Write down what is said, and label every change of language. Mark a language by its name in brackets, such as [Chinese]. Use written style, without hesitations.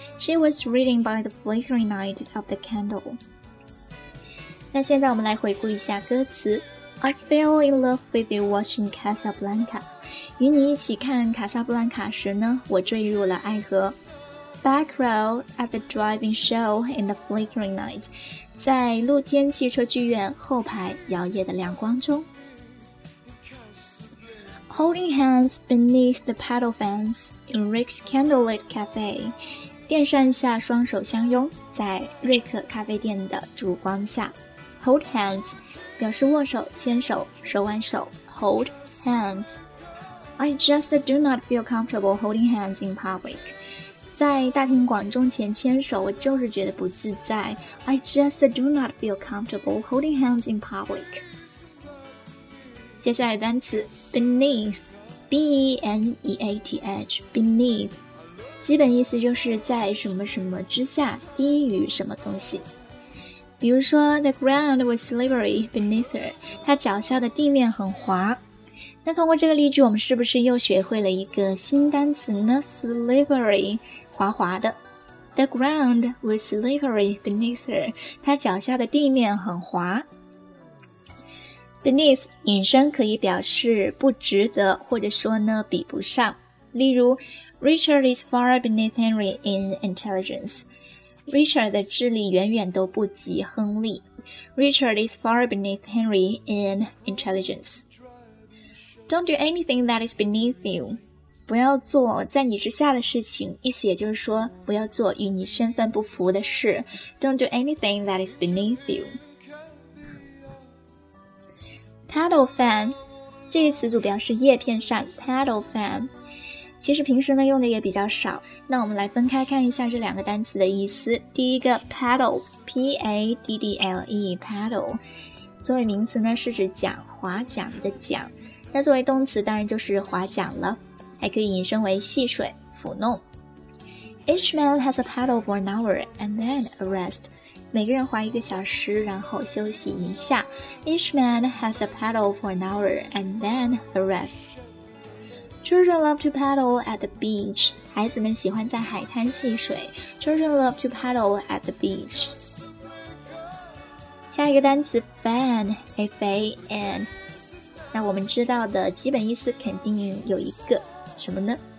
[English] She was reading by the flickering light of the candle。 [Chinese] 那现在我们来回顾一下歌词。 I fell in love with you watching Casablanca，与你一起看卡萨布兰卡时呢，我坠入了爱河。 [English] Back row at the driving show in the flickering light，在露天汽车剧院后排摇曳的亮光中。 Holding hands beneath the paddle fans in Rick's candlelit cafe，电扇下双手相拥，在瑞克咖啡店的烛光下。 [Chinese] Hold hands 表示握手、牵手、手挽手。 [English] Hold hands。 I just do not feel comfortable holding hands in public，在大庭广众前牵手我就是觉得不自在。 I just do not feel comfortable holding hands in public。 [Chinese] 接下来单词 beneath， B-E-N-E-A-T-H， beneath 基本意思就是在什么什么之下，低于什么东西。比如说 the ground was slippery beneath her，她脚下的地面很滑。那通过这个例句我们是不是又学会了一个新单词呢？ slippery滑滑的。 [English] The ground was slippery beneath her，她脚下的地面很滑。 [Chinese] Beneath 引申可以表示不值得，或者说呢比不上。 [English] 例如 Richard is far beneath Henry in intelligence， Richard 的智力远远都不及亨利。 Richard is far beneath Henry in intelligence。 [Chinese] Don't do anything that is beneath you，不要做在你之下的事情，意思也就是说不要做与你身份不符的事。 [English] Don't do anything that is beneath you。 [Chinese] Paddle fan 这一词组表示叶片扇， paddle fan 其实平时呢用的也比较少。那我们来分开看一下这两个单词的意思。第一个 paddle， P-A-D-D-L-E， paddle 作为名词呢是指桨，划桨的桨。那作为动词当然就是划桨了，还可以引申为戏水、抚弄。 [English] Each man has a paddle for an hour and then a rest，每个人划一个小时然后休息一下。 Each man has a paddle for an hour and then a rest。 Children love to paddle at the beach，孩子们喜欢在海滩戏水。 Children love to paddle at the beach。 [Chinese] 下一个单词 fan， F-A-N， 那我们知道的基本意思肯定有一个，什么呢？